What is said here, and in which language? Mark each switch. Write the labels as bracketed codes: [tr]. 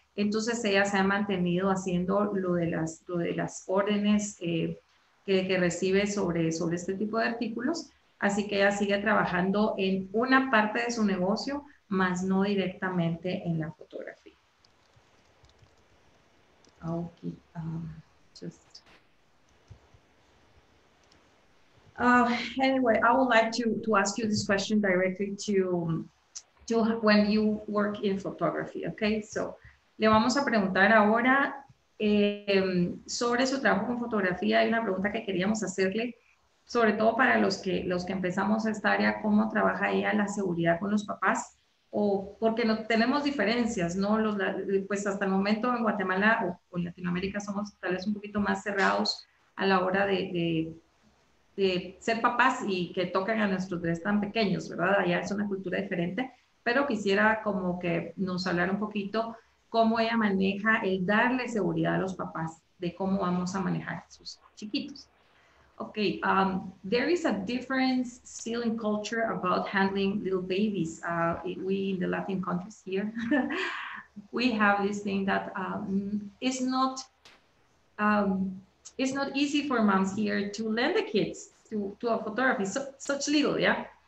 [es] Entonces ella se ha mantenido haciendo lo de las órdenes que recibe sobre este tipo de artículos. Así que ella sigue trabajando en una parte de su negocio, mas no directamente en la fotografía. [en] Okay, anyway, I would like to ask you this question directly to when you work in photography, okay? [es] So, le vamos a preguntar ahora sobre su trabajo con fotografía. Hay una pregunta que queríamos hacerle, sobre todo para los que empezamos esta área, ¿cómo trabaja ella la seguridad con los papás? O porque no tenemos diferencias, ¿no? Pues hasta el momento en Guatemala o en Latinoamérica somos tal vez un poquito más cerrados a la hora ser papás y que toquen a nuestros bebés tan pequeños, ¿verdad? Allá es una cultura diferente, pero quisiera como que nos hablara un poquito cómo ella maneja el darle seguridad a los papás de cómo vamos a manejar a sus chiquitos. [en] Okay, there is a difference still in culture about handling little babies. We in the Latin countries here, we have this thing that it's not easy for moms here to lend the kids to a photographer, so, such little, yeah.